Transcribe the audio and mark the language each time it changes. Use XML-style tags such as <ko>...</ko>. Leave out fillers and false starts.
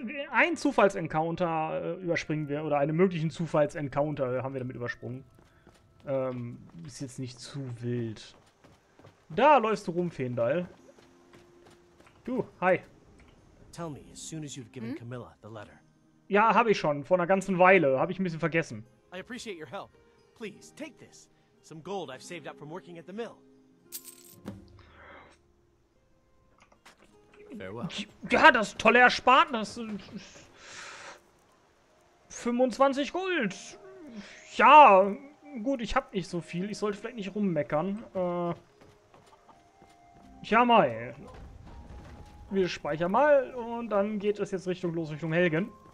<de>Ein Zufallsencounter überspringen wir, oder einen möglichen Zufallsencounter haben wir damit übersprungen. Ist jetzt nicht zu wild. Da läufst du rum, Feendahl. Du, hi.</de> <en>Tell me, as soon as you've given Camilla the letter.</en> <de>Ja, habe ich schon. Vor einer ganzen Weile. Habe ich ein bisschen vergessen.</de> <en>I appreciate your help. Please, take this. Some gold I've saved up from working at the mill. Farewell.</en> <de>Ja, das ist tolle Ersparnis. 25 Gold. Ja, gut, ich habe nicht so viel. Ich sollte vielleicht nicht rummeckern. Tja, mal. Wir speichern mal und dann geht es jetzt Richtung los, Richtung Helgen.</de>